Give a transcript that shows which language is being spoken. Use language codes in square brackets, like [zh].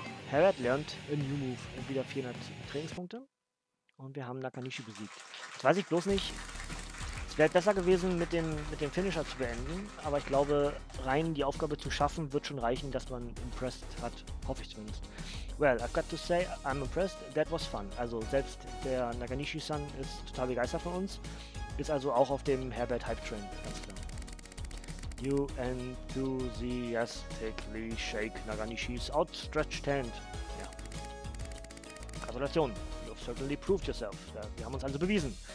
[de] Herbert lernt [en] a new move [de] und wieder 400 Trainingspunkte. Und wir haben Nakanishi besiegt. Das weiß ich bloß nicht. Es wäre besser gewesen, mit dem Finisher zu beenden, aber ich glaube, rein die Aufgabe zu schaffen, wird schon reichen, dass man impressed hat, hoffe ich zumindest. [en] Well, I've got to say, I'm impressed, that was fun. [de] Also selbst der Nakanishi-san ist total begeistert von uns, ist also auch auf dem Herbert-Hype-Train, ganz klar. [en] You enthusiastically shake Nakanishi's outstretched hand. Ja. [de] Gratulation, [en] you've certainly proved yourself. [de] Wir haben uns also bewiesen.